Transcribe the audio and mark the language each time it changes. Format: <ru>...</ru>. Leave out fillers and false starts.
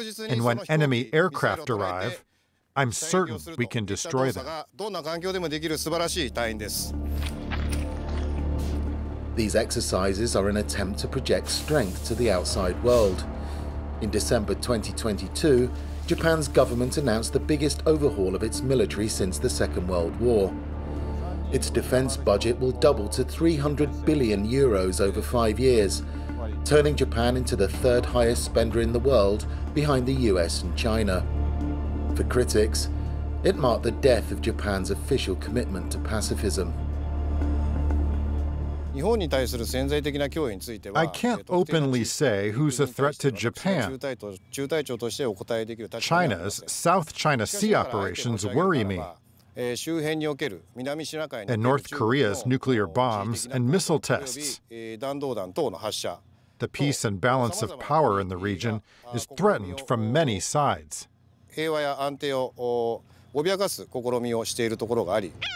<en>And when enemy aircraft arrive,I'm certain we can destroy them.</en> <ja>どんな環境でもできる素晴らしい隊員です。</ja> <en>These exercises are an attempt to project strength to the outside world. In December 2022, Japan's government announced the biggest overhaul of its military since the Second World War. Its defense budget will double to 300 billion euros over 5 years, turning Japan into the third highest spender in the world behind the US and China. For critics, it marked the death of Japan's official commitment to pacifism. I can't openly say who's a threat to Japan. China's South China Sea operations worry me. And North Korea's nuclear bombs and missile tests. The peace and balance of power in the region is threatened from many sides.</en> <ja>平和や安定を脅かす試みをしているところがあり。</ja>